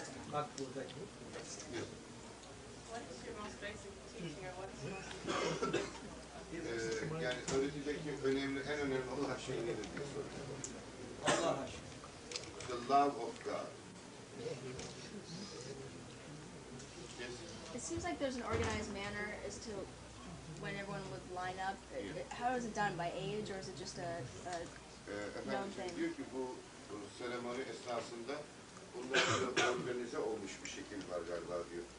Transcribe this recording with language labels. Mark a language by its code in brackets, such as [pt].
[en] What is your most basic teaching, or what is your most important? [tr] Yani öğretideki önemli, en önemli olan şey nedir diye soruyor. Allah aşkına. [en] The love of God. It seems like there's an organized manner as to when everyone would line up. Yeah. How is it done? By age or is it just a known thing? [tr] Diyor ki bu seremoni esnasında bunlarla organize olmuş bir şekil var galiba diyor.